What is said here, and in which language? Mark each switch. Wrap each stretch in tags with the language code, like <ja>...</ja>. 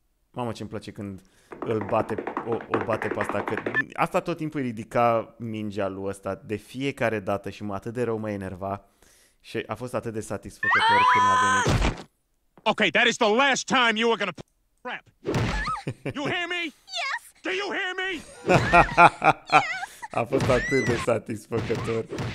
<ro>Mamă, ce-mi place când îl bate, o bate pe asta. Că asta tot timpul îi ridica mingea lui ăsta de fiecare dată și mă atât de rău mă enerva. Și a fost atât de satisfăcător când a venit.</ro> <en>Ok, that is the last time you are gonna prep. You hear me? Yes! Do you hear me?</en> <ro>A fost atât de satisfăcător.</ro>